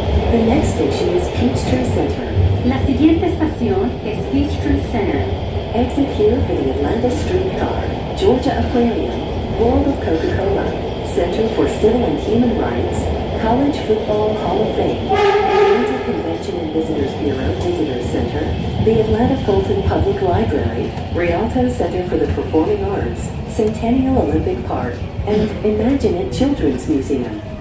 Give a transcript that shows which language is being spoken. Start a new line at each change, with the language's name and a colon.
English: The next station is Peachtree Center.
Spanish: La siguiente estación es Peachtree Center.
English: Exit here for the Atlanta Streetcar, Georgia Aquarium, World of Coca-Cola, Center for Civil and Human Rights, College Football Hall of Fame, Atlanta Convention and Visitors Bureau Visitors Center, the Atlanta Fulton Public Library, Rialto Center for the Performing Arts, Centennial Olympic Park, and Imagine It Children's Museum.